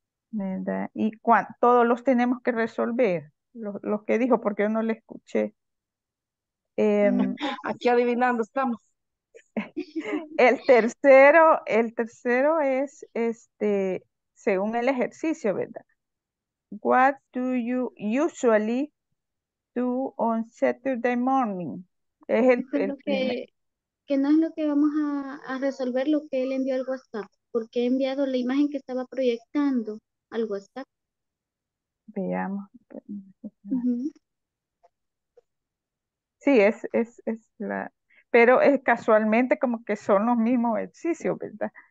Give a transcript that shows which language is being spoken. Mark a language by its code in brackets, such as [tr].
[es] ¿Verdad? ¿Y cuán, todos los tenemos que resolver? Los que dijo, porque yo no le escuché. Aquí adivinando estamos. El tercero es este, según el ejercicio, ¿verdad? [en] What do you usually do on Saturday morning? [es] Es el que no es lo que vamos a resolver, lo que él envió al WhatsApp, porque he enviado la imagen que estaba proyectando al WhatsApp. Veamos. Sí, es la, pero es casualmente como que son los mismos ejercicios, ¿verdad?